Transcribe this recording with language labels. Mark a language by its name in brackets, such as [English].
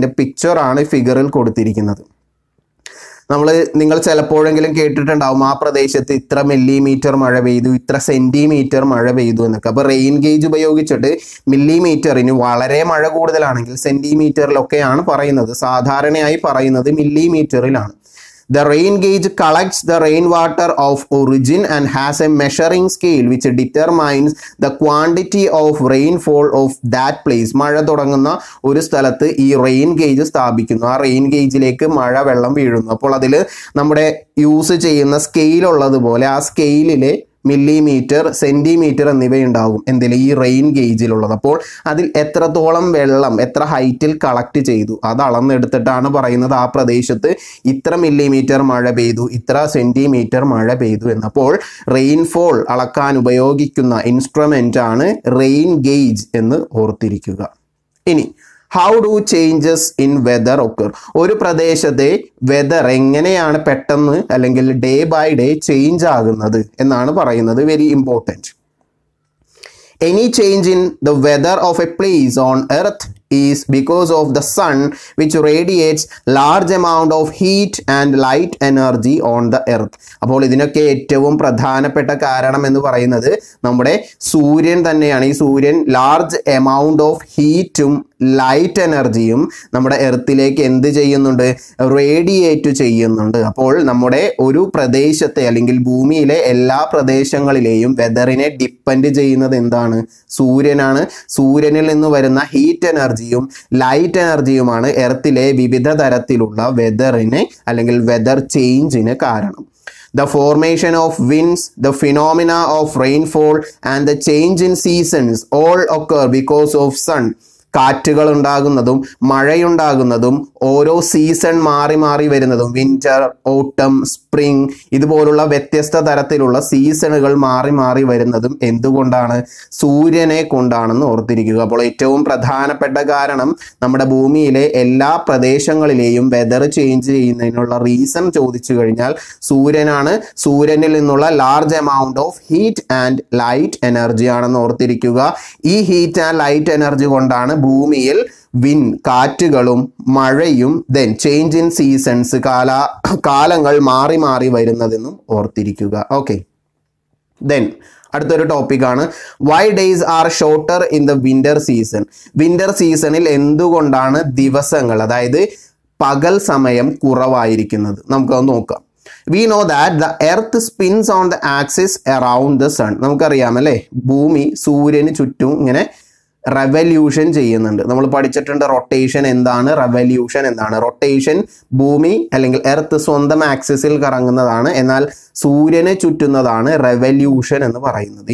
[Malayalam] അതിൻ്റെ പിക്ചറാണ് ഫിഗറിൽ കൊടുത്തിരിക്കുന്നത്. നമ്മൾ, നിങ്ങൾ ചിലപ്പോഴെങ്കിലും കേട്ടിട്ടുണ്ടാവും ആ പ്രദേശത്ത് ഇത്ര മില്ലിമീറ്റർ മഴ പെയ്തു, ഇത്ര സെൻറ്റിമീറ്റർ മഴ പെയ്തു എന്നൊക്കെ. അപ്പോൾ റെയിൻ ഗേജ് ഉപയോഗിച്ചിട്ട് മില്ലിമീറ്ററിന് വളരെ മഴ കൂടുതലാണെങ്കിൽ സെൻറ്റിമീറ്ററിലൊക്കെയാണ് പറയുന്നത്. സാധാരണയായി പറയുന്നത് മില്ലിമീറ്ററിലാണ്. [English] The rain gauge collects the rainwater of origin and has a measuring scale which determines the quantity of rainfall of that place. [Malayalam] മഴ തുടങ്ങുന്ന ഒരു സ്ഥലത്ത് ഈ റെയിൻ ഗേജ് സ്ഥാപിക്കുന്നു. ആ റെയിൻ ഗേജിലേക്ക് മഴ വെള്ളം വീഴുന്നു. അപ്പോൾ അതിൽ നമ്മുടെ യൂസ് ചെയ്യുന്ന സ്കെയിൽ ഉള്ളതുപോലെ ആ സ്കെയിലിലെ മില്ലിമീറ്റർ, സെൻറ്റിമീറ്റർ എന്നിവയുണ്ടാകും എന്തിൽ, ഈ റെയിൻ ഗേജിലുള്ളത്. അപ്പോൾ അതിൽ എത്രത്തോളം വെള്ളം എത്ര ഹൈറ്റിൽ കളക്ട് ചെയ്തു അത് അളന്നെടുത്തിട്ടാണ് പറയുന്നത് ആ പ്രദേശത്ത് ഇത്ര മില്ലിമീറ്റർ മഴ പെയ്തു, ഇത്ര സെൻറ്റിമീറ്റർ മഴ പെയ്തു എന്ന്. അപ്പോൾ റെയിൻഫോൾ അളക്കാൻ ഉപയോഗിക്കുന്ന ഇൻസ്ട്രുമെൻ്റ് ആണ് റെയിൻ ഗേജ് എന്ന് ഓർത്തിരിക്കുക. ഇനി [English] How do changes in weather occur. [Malayalam] ഒരു പ്രദേശത്തെ വെതർ എങ്ങനെയാണ് പെട്ടെന്ന് അല്ലെങ്കിൽ [English] day by day [Malayalam] ചേഞ്ച് ആകുന്നത് എന്നാണ് പറയുന്നത്. [English] Very important. Any change in the weather of a place on earth is because of the sun, which radiates large amount of heat and light energy on the earth. [Malayalam] അപ്പോൾ ഇതിനൊക്കെ ഏറ്റവും പ്രധാനപ്പെട്ട കാരണം എന്ന് പറയുന്നത് നമ്മുടെ സൂര്യൻ തന്നെയാണ്. ഈ സൂര്യൻ [English] large amount of ഹീറ്റും light എനർജിയും [Malayalam] നമ്മുടെ എർത്തിലേക്ക് എന്ത് ചെയ്യുന്നുണ്ട്? റേഡിയേറ്റ് ചെയ്യുന്നുണ്ട്. അപ്പോൾ നമ്മുടെ ഒരു പ്രദേശത്തെ അല്ലെങ്കിൽ ഭൂമിയിലെ എല്ലാ പ്രദേശങ്ങളിലെയും വെതറിനെ ഡിപ്പെൻഡ് ചെയ്യുന്നത് എന്താണ്? സൂര്യനാണ്. സൂര്യനിൽ നിന്ന് വരുന്ന ഹീറ്റ് എനർജിയും ലൈറ്റ് എനർജിയുമാണ് എർത്തിലെ വിവിധ തരത്തിലുള്ള വെതറിനെ അല്ലെങ്കിൽ വെതർ ചേഞ്ചിന് കാരണം. [English] The formation of winds, the phenomena of rainfall and the change in seasons all occur because of sun. [Malayalam] കാറ്റുകൾ ഉണ്ടാകുന്നതും മഴയുണ്ടാകുന്നതും ഓരോ സീസൺ മാറി മാറി വരുന്നതും വിൻ്റർ, ഓട്ടം, സ്പ്രിംഗ് ഇതുപോലുള്ള വ്യത്യസ്ത തരത്തിലുള്ള സീസണുകൾ മാറി മാറി വരുന്നതും എന്തുകൊണ്ടാണ്? സൂര്യനെ കൊണ്ടാണെന്ന് ഓർത്തിരിക്കുക. അപ്പോൾ ഏറ്റവും പ്രധാനപ്പെട്ട കാരണം നമ്മുടെ ഭൂമിയിലെ എല്ലാ പ്രദേശങ്ങളിലെയും വെതർ ചേഞ്ച് ചെയ്യുന്നതിനുള്ള റീസൺ ചോദിച്ചു കഴിഞ്ഞാൽ സൂര്യനാണ്. സൂര്യനിൽ നിന്നുള്ള [English] large amount of heat and light energy [Malayalam] ആണെന്ന് ഓർത്തിരിക്കുക. ഈ [English] heat and light energy [Malayalam] കൊണ്ടാണ് ഭൂമിയിൽ വിൻ കാറ്റുകളും മഴയും [English] then change in seasons [Malayalam] കാലങ്ങൾ മാറി മാറി വരുന്നതെന്നും ഓർത്തിരിക്കുക. [English] okay, then [Malayalam] അടുത്തൊരു ടോപ്പിക്കാണ് [English] Why days are shorter in the winter season. [Malayalam] Winter സീസണിൽ എന്തുകൊണ്ടാണ് ദിവസങ്ങൾ അതായത് പകൽ സമയം കുറവായിരിക്കുന്നത്? നമുക്കത് നോക്കാം. [English] We know that the earth spins on the axis around the sun. [Malayalam] നമുക്കറിയാമല്ലേ ഭൂമി സൂര്യന് ചുറ്റും ഇങ്ങനെ റെവല്യൂഷൻ ചെയ്യുന്നുണ്ട്. നമ്മൾ പഠിച്ചിട്ടുണ്ട് റൊട്ടേഷൻ എന്താണ്, റെവല്യൂഷൻ എന്താണ്. റൊട്ടേഷൻ ഭൂമി അല്ലെങ്കിൽ എർത്ത് സ്വന്തം ആക്സിസിൽ കറങ്ങുന്നതാണ്, എന്നാൽ സൂര്യനെ ചുറ്റുന്നതാണ് റെവല്യൂഷൻ എന്ന് പറയുന്നത്.